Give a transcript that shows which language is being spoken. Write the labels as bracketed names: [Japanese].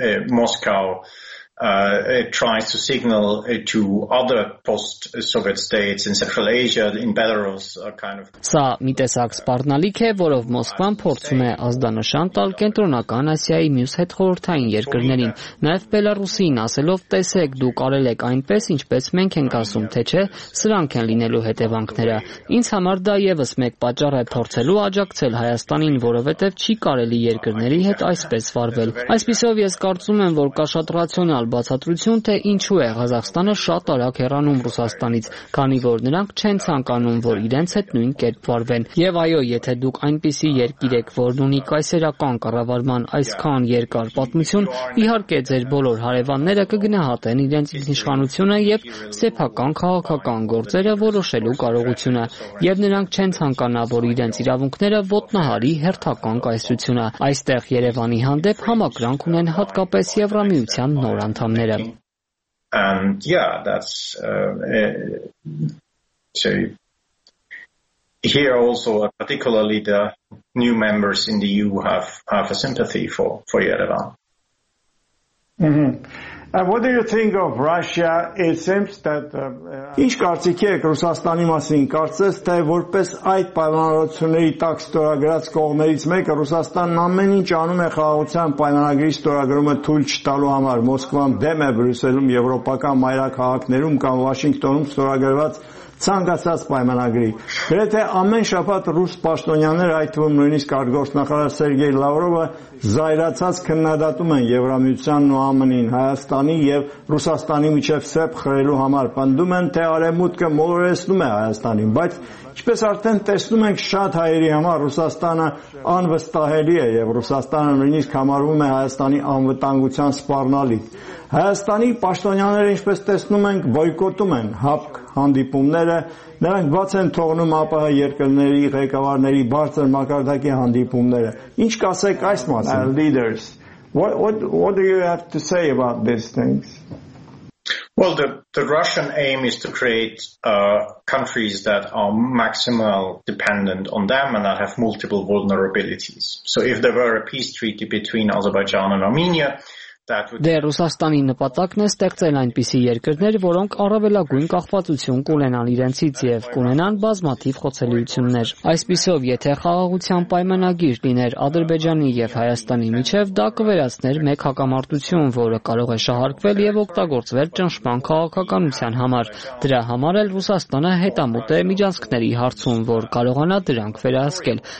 [English] Moscow it tries to signal to other post-Soviet states in Central Asia, in Belarus, a kind of... [Armenian] Սա մի տեսակ սպառնալիք է, որով Մոսկվան փորձում է ազդանշան տալ կենտրոնական Ասիայի մյուս հետխորհրդային երկրներին, նաև Բելարուսին, ասելով, տեսեք, դու կարել եք այնպես, ինչպես մենք ենք ասում, թե չէ, սրանք են լինելու հետևանքները։ Ինձ համար դա եւս մեկ պատճառ է փորձելու աջակցել Հայաստանին, որովհետեւ չի կարելի երկրների հետ այսպես վարվել։ Այսպիսով ես կարծում եմ, որ կա շատ ռացիոնալ բացատրություն, թե ինչու է Ղազախստանը շատ արագ հեռանում Ռուսաստանից, քանի որ նրանք չեն ցանկանում, որ իրենց հետ նույն կերպ վարվեն։ Եվ այո, եթե դուք այնպիսի երկիր եք, որ ունի կայսերական կառավարման այսքան երկար պատմություն, իհարկե ձեր բոլոր հարևանները կգնահատեն իրենց իշխանությունը եւ սեփական քաղաքական գործերը որոշելու կարողությունը, եւ նրանք չեն ցանկանա, որ իրենց իրավունքները ոտնահարի հերթական կայսրությունը։ Այստեղ Երևանի հանդեպ համակրանք ունեն հատկապես Եվրամիության Antamnera. [English] And yeah, that's so here also particularly the new members in the EU have a sympathy for Yerevan. Mm-hmm. What do you think of Russia? It seems that [Armenian] Ինչ կարծիք եք Ռուսաստանի մասին? Կարծես թե որպես այդ պայմանավորությունների տակ ստորագրած կողմերից մեկը, Ռուսաստանն ամեն ինչ անում է խաղաղության պայմանագրի ստորագրումը թույլ չտալու համար։ Մոսկվան դեմ է Բրյուսելում, եվրոպական մայրաքաղաքներում կամ Վաշինգտոնում ստորագրված ցանկացած պայմանագրի։ Գրեթե ամեն շաբաթ ռուս պաշտոնյաները, այդ թվում նույնիսկ արտգործնախարար Սերգեյ Լավրովը, զայրացած քննադատում են Եվրամիությանն ու ԱՄՆ-ին, Հայաստանը Հայաստանի և Ռուսաստանի միջև սեպ խրելու համար, պնդում են, թե արևմուտքը մոլորեցնում է Հայաստանին, բայց ինչպես արդեն տեսնում ենք, շատ հայերի համար Ռուսաստանը անվստահելի է և Ռուսաստանը նույնիսկ համարվում է Հայաստանի անվտանգության սպառնալիք։ Հայաստանի պաշտոնյաները, ինչպես տեսնում ենք, բոյկոտում են ՀԱՊԿ հանդիպումները, նրանք բաց են թողնում ԱՊՀ երկրների ղեկավարների բարձր մակարդակի հանդիպումները։ Ինչ կասեք այս մասին? [English] Leaders, what do you have to say about these things? Well, the Russian aim is to create countries that are maximal dependent on them and that have multiple vulnerabilities. So if there were a peace treaty between Azerbaijan and Armenia, [Armenian] Դե Ռուսաստանի նպատակն է ստեղծել այնպիսի երկրներ, որոնք առավելագույն կախվածություն կունենան իրենցից և կունենան բազմաթիվ խոցելիություններ։ Այսպիսով, եթե խաղաղության պայմանագիր լիներ Ադրբեջանի և Հայաստանի միջև, դա կվերածներ մեկ հակամարտություն, որը կարող է շահարկվել և օգտագործվել ճնշման քաղաքականության համար։ Դրա համար էլ Ռուսաստանը հետամուտ է միջանցքների հարցում, որ կարողանա դրանք վերահսկել,